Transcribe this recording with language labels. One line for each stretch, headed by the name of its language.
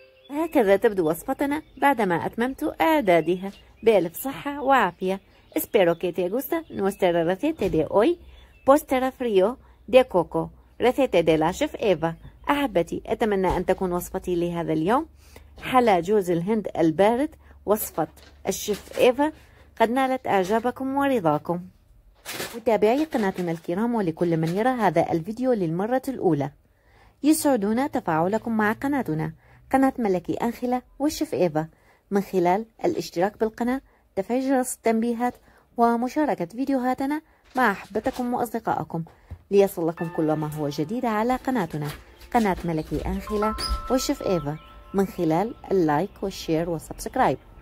Arabic: هكذا تبدو وصفتنا بعدما أتممت إعدادها. بألف صحة وعافية.
Spanish: Espero que te guste nuestra receta de hoy. Postre frío de coco. Receta de la chef Eva.
Arabic: أحبتي، أتمنى أن تكون وصفتي لهذا اليوم حلا جوز الهند البارد، وصفة الشيف إيفا، قد نالت إعجابكم ورضاكم. متابعي قناتنا الكرام ولكل من يرى هذا الفيديو للمرة الأولى، يسعدنا تفاعلكم مع قناتنا قناة ملكي أنخلة والشيف إيفا من خلال الاشتراك بالقناة، تفعيل جرس التنبيهات، ومشاركة فيديوهاتنا مع أحبتكم وأصدقائكم ليصلكم كل ما هو جديد على قناتنا قناة ملكي أنخلة والشيف إيفا من خلال اللايك والشير والسبسكرايب.